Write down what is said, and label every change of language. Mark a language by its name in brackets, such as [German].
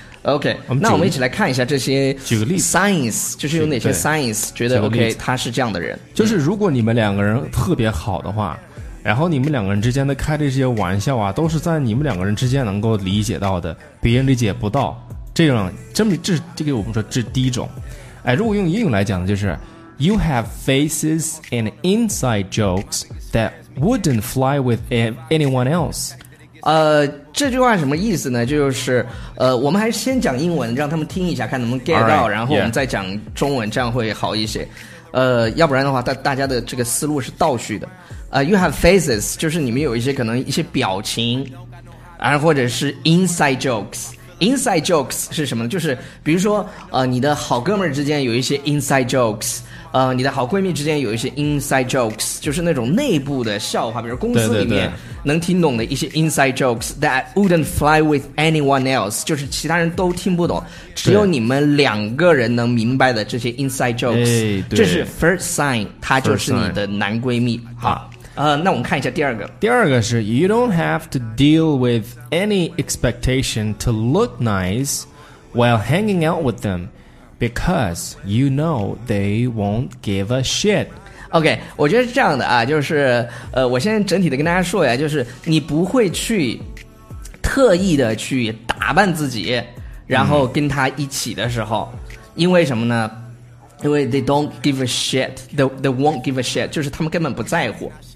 [Chinese] OK， 那我们一起来看一下这些 science， 就是有哪些 science 觉得 OK， 他是这样的人。就是如果你们两个人特别好的话，然后你们两个人之间的开的这些玩笑啊，都是在你们两个人之间能够理解到的，别人理解不到。这个我们说这是第一种。哎，如果用英语来讲的就是 [English] You have faces and inside jokes that wouldn't fly with anyone else。 [Chinese] 这句话什么意思呢？就是我们还是先讲英文让他们听一下，看能不能 get 到。 [English] All right, [Chinese] 然后我们再讲中文， [English] yeah. [Chinese] 这样会好一些。要不然的话大家的这个思路是倒叙的。 [English] You have faces， [Chinese] 就是你们有一些可能一些表情，然后或者是 inside jokes。 Inside jokes 是什么呢？就是比如说，你的好哥们儿之间有一些 [English] inside jokes， 你的好闺蜜之间有一些 inside jokes， 就是那种内部的笑话，比如公司里面能听懂的一些 inside jokes that wouldn't fly with anyone else， [Chinese] 就是其他人都听不懂，只有你们两个人能明白的这些 inside jokes。这是 first sign， 她就是你的男闺蜜。那我们看一下第二个。 [English] 第二个是 You don't have to deal with any expectation to look nice while hanging out with them because you know they won't give a shit. [Chinese] OK， 我觉得是这样的啊，就是我先整体的跟大家说呀，就是你不会去特意的去打扮自己然后跟他一起的时候，因为什么呢？ [English] 因为 they don't give a shit， they won't give a shit， [Chinese] 就是他们根本不在乎，